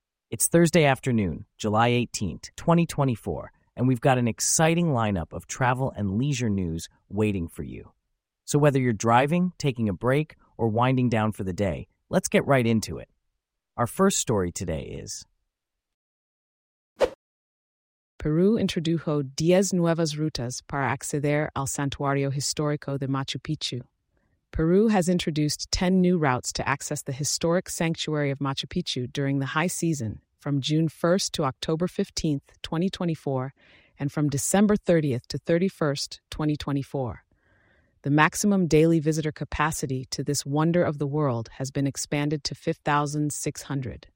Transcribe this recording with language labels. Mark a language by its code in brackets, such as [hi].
[en] It's Thursday afternoon, July 18th, 2024, and we've got an exciting lineup of travel and leisure news waiting for you. So whether you're driving, taking a break, or winding down for the day, let's get right into it. Our first story today is [es] Peru introdujo 10 nuevas rutas para acceder al Santuario Histórico de Machu Picchu. [en] Peru has introduced 10 new routes to access the historic sanctuary of Machu Picchu during the high season, from June 1st to October 15th, 2024, and from December 30th to 31st, 2024. The maximum daily visitor capacity to this wonder of the world has been expanded to 5,600.